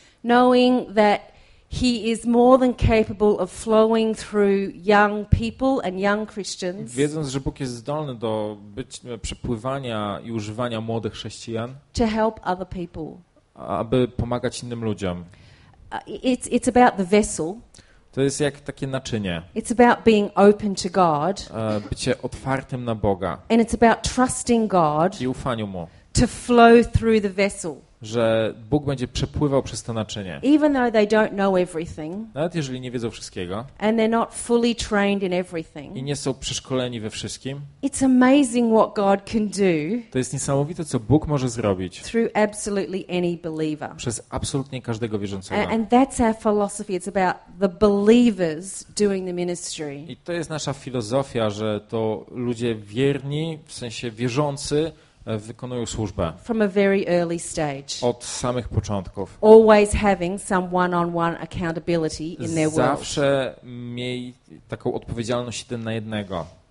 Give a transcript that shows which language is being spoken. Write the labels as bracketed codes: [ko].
[en] Knowing that He is more than capable of flowing through young people and young Christians. [pl] Wiedząc, że Bóg jest zdolny do przepływania i używania młodych chrześcijan. [en] To help other people. [pl] Aby pomagać innym ludziom. [en] It's about the vessel. [pl] To jest jak takie naczynie. [en] It's about being open to God. [pl] Bycie otwartym na Boga. [en] And it's about trusting God. [pl] I ufaniu mu. [en] To flow through the vessel. [pl] Że Bóg będzie przepływał przez to naczynie. [en] Even though they don't know everything. [pl] Nawet jeżeli nie wiedzą wszystkiego. [en] And they're not fully trained in everything. [pl] I nie są przeszkoleni we wszystkim. [en] It's amazing what God can do. [pl] To jest niesamowite, co Bóg może zrobić. [en] Through absolutely any believer. [pl] Przez absolutnie każdego wierzącego. [en] And that's our philosophy. It's about the believers doing the ministry. [pl] I to jest nasza filozofia, że to ludzie wierni, w sensie wierzący, wykonują służbę. [en] From a very early stage. [pl] Od samych początków. [en] Always having some one-on-one accountability in their world. [pl] Zawsze mieli taką odpowiedzialność jeden na jednego.